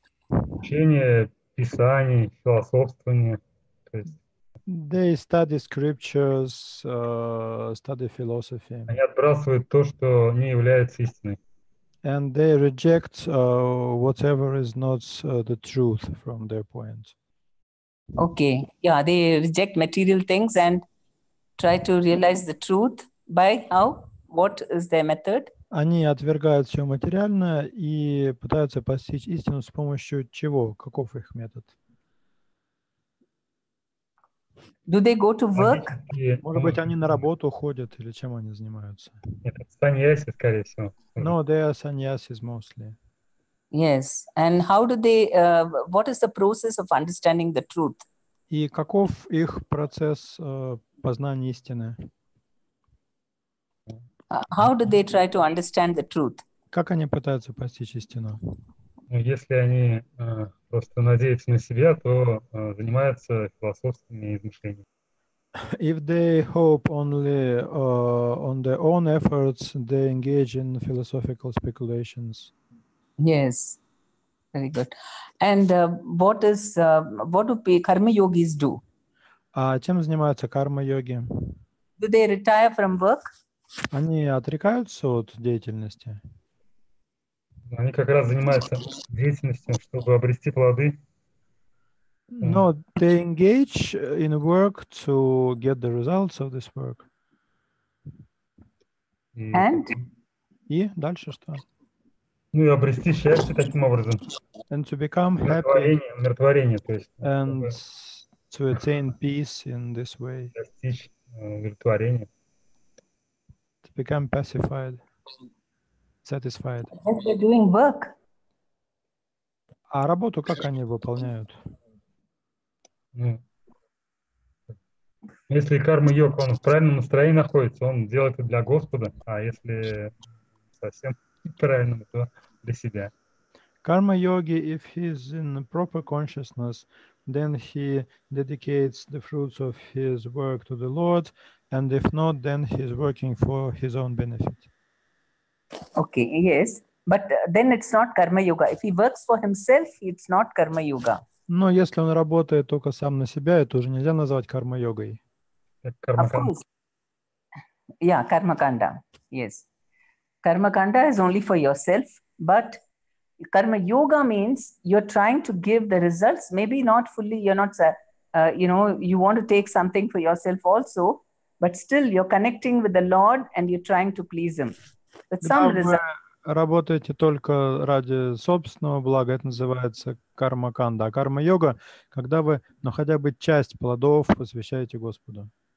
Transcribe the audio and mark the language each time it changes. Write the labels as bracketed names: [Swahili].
[Russian] Учение, писание, философствование. То есть... [English] They study scriptures, study philosophy. [Russian] Они отбрасывают то, что не является истиной. [English] And they reject whatever is not the truth from their point. Okay, yeah, they reject material things and try to realize the truth by how? What is their method? [Russian] Они отвергают все материальное и пытаются постичь истину с помощью чего? Каков их метод? [English] Do they go to work? [Russian] Может быть, они на работу ходят или чем они занимаются? Это саньяси, скорее всего. [English] No, they are sannyasis mostly. Yes. And how do they, what is the process of understanding the truth? [Russian] И каков их процесс познания истины? [English] How do they try to understand the truth? [Russian] Как они пытаются постичь истину? Если они просто надеются на себя, то занимаются философскими измышлениями. [English] If they hope only on their own efforts, they engage in philosophical speculations. Yes, very good. And what is what do karma yogis do? [Russian] А чем занимаются карма йоги? [English] Do they retire from work? [Russian] Они отрекаются от деятельности. Они как раз занимаются деятельностью, чтобы обрести плоды. [English] No, they engage in work to get the results of this work. And? [Russian] И дальше что? Ну и обрести счастье таким образом. [English] And to become happy. [Russian] Умиротворение, умиротворение, то есть. [English] And to attain peace in this way. [Russian] Достичь умиротворения. [English] Become pacified, satisfied. And they're doing work. [Russian] А работу как они выполняют? Если карма-йог, он в правильном настроении находится, он делает это для Господа, а если совсем неправильно, то для себя. [English] Карма-йоги, if he's in proper consciousness, then he dedicates the fruits of his work to the Lord. And if not, then he's working for his own benefit. Okay, yes. But then it's not karma yoga. If he works for himself, it's not karma yoga. [Russian] Но если он работает только сам на себя, это уже нельзя назвать карма йогой. Карма-канда. [English] Yeah, karma kanda. Yes. Karma kanda is only for yourself. But karma yoga means you're trying to give the results. Maybe not fully, you're not, you know, you want to take something for yourself also. But still, you're connecting with the Lord and you're trying to please Him. But some [Russian] Вы работаете только ради собственного блага, это называется карма-канда. А карма-йога, когда вы, ну, хотя бы часть плодов посвящаете Господу.